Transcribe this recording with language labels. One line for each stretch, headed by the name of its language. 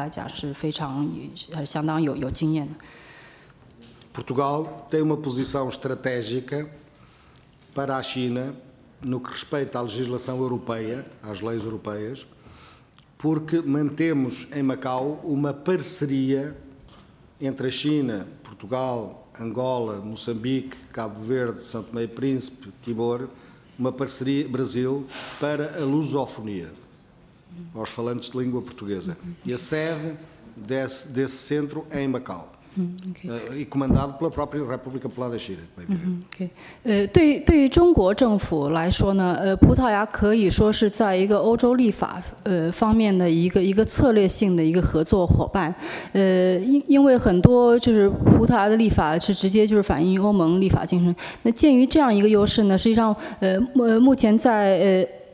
Chinese: 那在下周这边可以透露一下，在下周这个会议当中呢，我们也会交流和中方代表们交流一下，关于葡萄牙在这个环境立法方面的一些做法，尤其是在这个污水处理和水供应方面，以及是这个海洋治理方面，因为葡萄牙是一个海洋大国，那水资源对葡萄牙来讲是非常相当有经验的。
Portuguese: Portugal tem uma posição estratégica para a China, no que respeita à legislação europeia, às leis europeias, porque mantemos em Macau uma parceria entre a China, Portugal, Angola, Moçambique, Cabo Verde, São Tomé e Príncipe, Timor, uma parceria Brasil para a lusofonia, aos falantes de língua portuguesa. E a sede desse centro é em Macau. Okay. E comandado pela própria República Popular da China. Okay.
Chinese: 对于中国政府来说呢，葡萄牙可以说是在一个欧洲立法方面的一个策略性的一个合作伙伴。因为很多就是葡萄牙的立法是直接就是反映欧盟立法精神。那鉴于这样一个优势呢，实际上目前在。